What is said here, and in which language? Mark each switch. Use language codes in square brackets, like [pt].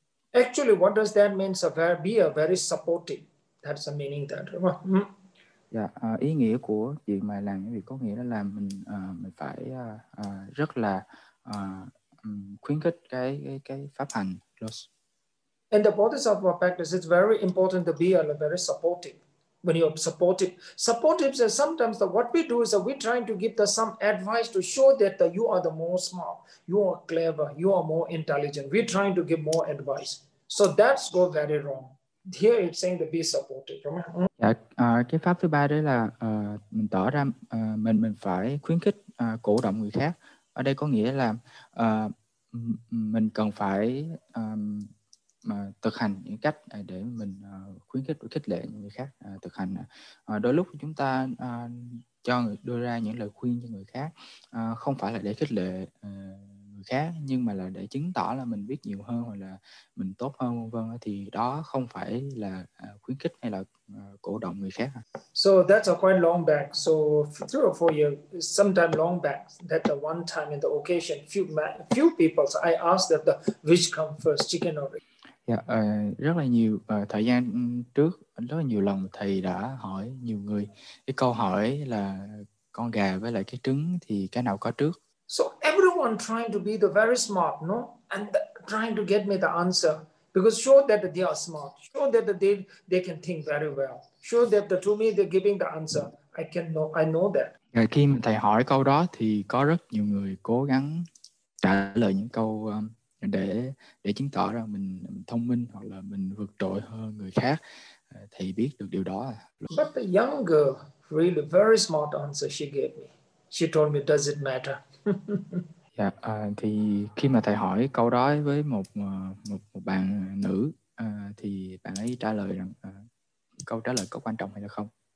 [en] Actually, what does that mean? So be a very supportive. That's the meaning that. Right? Mm-hmm. [vi] Ý nghĩa của việc mà làm những việc có nghĩa đó là mình phải rất là khuyến khích cái pháp hành. Los. [en] And the bodhisattva practice, it's very important to be very supportive. When you're supportive, is sometimes that what we do is that we're trying to give the some advice to show that you are the more smart, you are clever, you are more intelligent. We're trying to give more advice. So that's go very wrong. Here it's saying to be supportive. [vi] Cái pháp thứ ba đó là mình tỏ ra mình phải khuyến khích cổ động người khác. Ở đây có nghĩa là mình cần phải mà thực hành những cách để mình khuyến khích, khích lệ những người khác thực hành. Đôi lúc chúng ta đưa ra những lời khuyên cho người khác không phải là để khích lệ người khác, nhưng mà là để chứng tỏ là mình biết nhiều hơn hoặc là mình tốt hơn vân vân, thì đó không phải là khuyến khích hay là cổ động người khác. [en] So that's a quite long back. So 3 or 4 years, sometime long back, that the one time in the occasion, few people, so I asked that the which come first, chicken or egg. [vi] Rất là nhiều thời gian trước, rất là nhiều lần thầy đã hỏi nhiều người cái câu hỏi là con gà với lại cái trứng thì cái nào có trước. [en] So everyone trying to be the very smart, no, and trying to get me the answer, because show that they are smart, show that they can think very well, show that to me they're giving the answer, I know that. [vi] Khi mà thầy hỏi câu đó thì có rất nhiều người cố gắng trả lời những câu để chứng tỏ rằng mình thông minh hoặc là mình vượt trội hơn người khác, thì biết được điều đó. [en] But the young girl, really very smart answer she gave me. She told me, does it matter? [vi] Thì khi mà thầy hỏi câu đó với một bạn nữ, thì bạn ấy trả lời rằng câu trả lời có quan trọng hay là không?